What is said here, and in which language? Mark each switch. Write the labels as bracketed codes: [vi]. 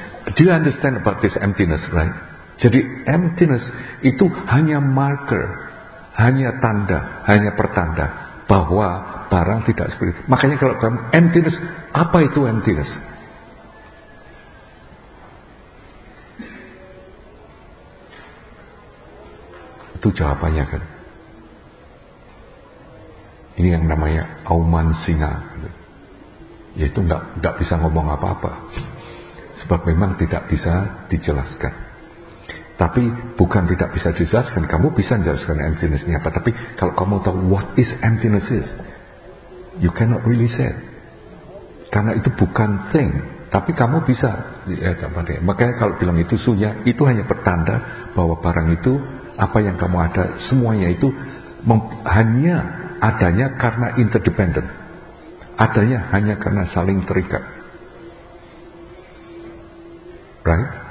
[id] Do you understand about this emptiness, right? Jadi emptiness itu hanya marker, hanya tanda, hanya pertanda bahwa barang tidak seperti. Makanya kalau kamu emptiness, apa itu emptiness? Itu jawabannya kan. Ini yang namanya auman singa, yaitu nggak bisa ngomong apa-apa, sebab memang tidak bisa dijelaskan. Tapi bukan tidak bisa dijelaskan, kamu bisa menjelaskan emptinessnya apa. Tapi kalau kamu tahu [en] what is emptiness is, you cannot really say it. [id] Karena itu bukan thing, tapi kamu bisa. Ya, makanya kalau bilang itu sunya, itu hanya pertanda bahwa barang itu apa yang kamu ada semuanya itu hanya adanya karena interdependent, adanya hanya karena saling terikat, right?